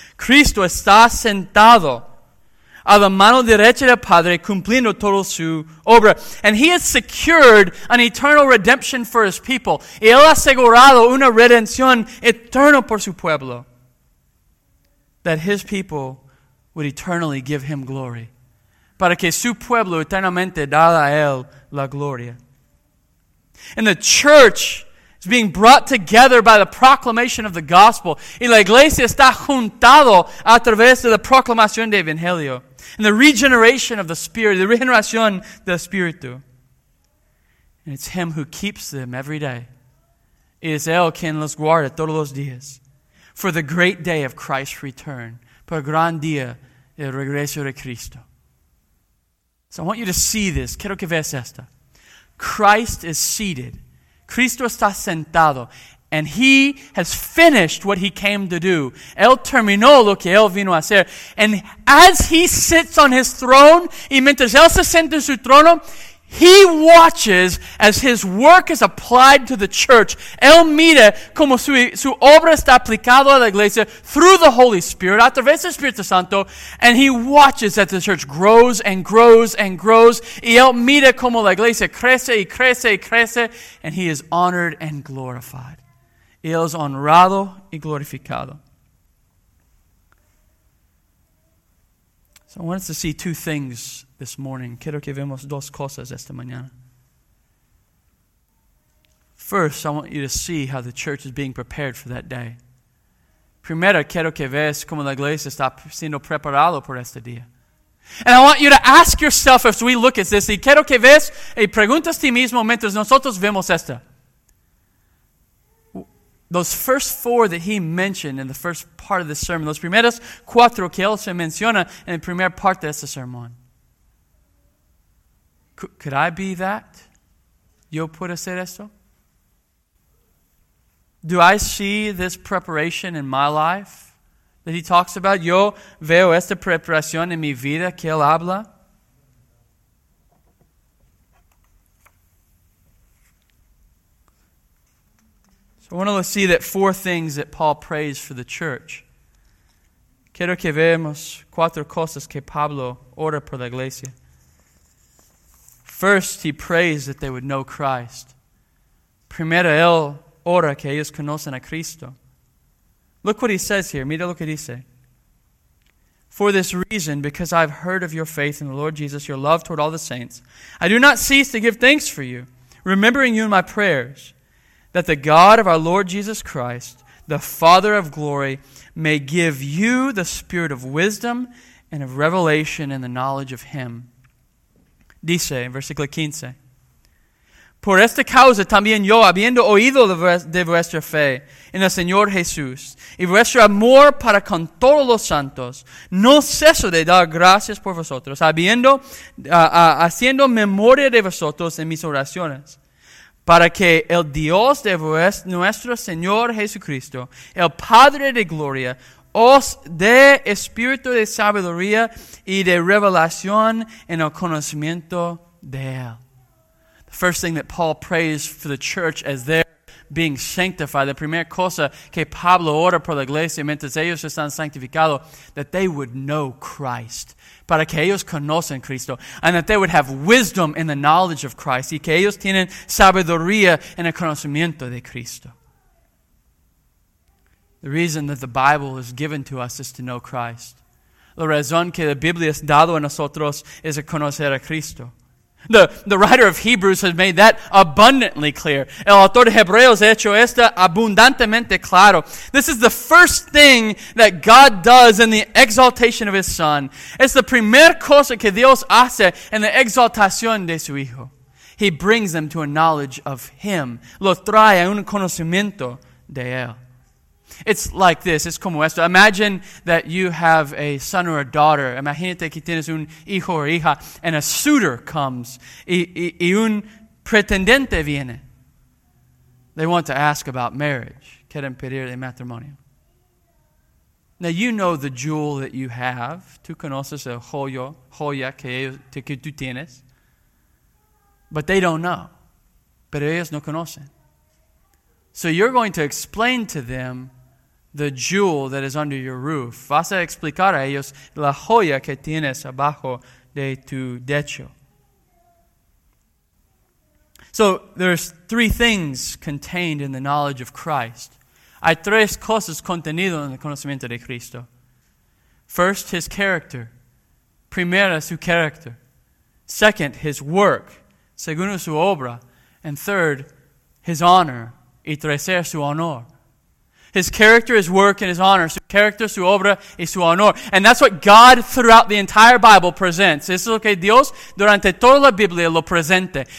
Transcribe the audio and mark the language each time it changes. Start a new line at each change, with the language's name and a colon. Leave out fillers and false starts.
Spanish: Cristo está sentado a la mano derecha del Padre, cumpliendo toda su obra.
English: And he has secured an eternal redemption for his people.
Spanish: Y él ha asegurado una redención eterna por su pueblo,
English: that his people would eternally give him glory.
Spanish: Para que su pueblo eternamente dará a él la gloria.
English: And the church is being brought together by the proclamation of the gospel.
Spanish: Y la iglesia está juntado a través de la proclamación del Evangelio.
English: And the regeneration of the Spirit,
Spanish: the regeneración del Espíritu.
English: And it's him who keeps them every day.
Spanish: Es él quien los guarda todos los días.
English: For the great day of Christ's return.
Spanish: Por el gran día del regreso de Cristo.
English: So I want you to see this.
Spanish: Quiero que veas esto.
English: Christ is seated.
Spanish: Cristo está sentado.
English: And he has finished what he came to do.
Spanish: Él terminó lo que él vino a hacer.
English: And as he sits on his throne,
Spanish: y mientras él se sienta en su trono,
English: he watches as his work is applied to the church.
Spanish: Él mira como su obra está aplicada a la iglesia
English: through the Holy Spirit,
Spanish: a través del Espíritu Santo,
English: and he watches as the church grows and grows
Spanish: and grows, y él mira como la iglesia crece y crece y crece,
English: and he is honored and glorified.
Spanish: Él es honrado y glorificado.
English: So I want us to see two things this morning.
Spanish: Quiero que vemos dos cosas esta mañana.
English: First, I want you to see how the church is being prepared for that day.
Spanish: Primero, quiero que veas cómo la iglesia está siendo preparada por este día.
English: And I want you to ask yourself as we look at this,
Spanish: y quiero que veas y preguntas a ti mismo mientras nosotros vemos esto.
English: Those first four that he mentioned in the first part of the sermon,
Spanish: los primeros cuatro que él se menciona en la primera parte de este sermón.
English: Could I be that?
Spanish: ¿Yo puedo hacer esto?
English: Do I see this preparation in my life that he talks about?
Spanish: ¿Yo veo esta preparación en mi vida que él habla?
English: I want to see that four things that Paul prays for the church.
Spanish: Quiero que veamos cuatro cosas que Pablo ora por la iglesia.
English: First, he prays that they would know Christ.
Spanish: Primero, él ora que ellos conocen a Cristo.
English: Look what he says here.
Spanish: Mira lo que dice.
English: For this reason, because I've heard of your faith in the Lord Jesus, your love toward all the saints, I do not cease to give thanks for you, remembering you in my prayers, that the God of our Lord Jesus Christ, the Father of glory, may give you the spirit of wisdom and of revelation in the knowledge of him.
Spanish: Dice, versículo 15. Por esta causa también yo, habiendo oído de vuestra fe en el Señor Jesús y vuestro amor para con todos los santos, no ceso de dar gracias por vosotros, haciendo memoria de vosotros en mis oraciones, para que el Dios de nuestro Señor Jesucristo, el Padre de gloria, os dé espíritu de sabiduría y de revelación en el conocimiento de él.
English: First thing that Paul prays for the church as they're being sanctified, the
Spanish: primera cosa que Pablo ora por la iglesia mientras ellos están sanctificados,
English: that they would know Christ,
Spanish: para que ellos conocen Cristo,
English: and that they would have wisdom in the knowledge of Christ,
Spanish: y que ellos tienen sabiduría en el conocimiento de Cristo.
English: The reason that the Bible is given to us is to know Christ.
Spanish: La razón que la Biblia es dado a nosotros es a conocer a Cristo.
English: The writer of Hebrews has made that abundantly clear.
Spanish: El autor de Hebreos ha hecho esto abundantemente claro.
English: This is the first thing that God does in the exaltation of his Son.
Spanish: Es la primera cosa que Dios hace en la exaltación de su Hijo.
English: He brings them to a knowledge of him.
Spanish: Lo trae a un conocimiento de él.
English: It's like this. It's
Spanish: como esto.
English: Imagine that you have a son or a daughter.
Spanish: Imagínate que tienes un hijo o hija,
English: and a suitor comes,
Spanish: y un pretendente viene.
English: They want to ask about marriage.
Spanish: Quieren pedirle matrimonio.
English: Now you know the jewel that you have.
Spanish: Tú conoces el joya que tú tienes.
English: But they don't know.
Spanish: Pero ellos no conocen.
English: So you're going to explain to them the jewel that is under your roof.
Spanish: Vas a explicar a ellos la joya que tienes abajo de tu techo.
English: So there's three things contained in the knowledge of Christ.
Spanish: Hay tres cosas contenidas en el conocimiento de Cristo.
English: First, his character.
Spanish: Primera, su carácter.
English: Second, his work.
Spanish: Segundo, su obra.
English: And third, his honor.
Spanish: Y tercer, su honor.
English: His character, his work, and his honor.
Spanish: Su character, su obra, y su honor.
English: And that's what God throughout the entire Bible presents.
Spanish: Eso es lo que Dios durante toda la Biblia lo presenta.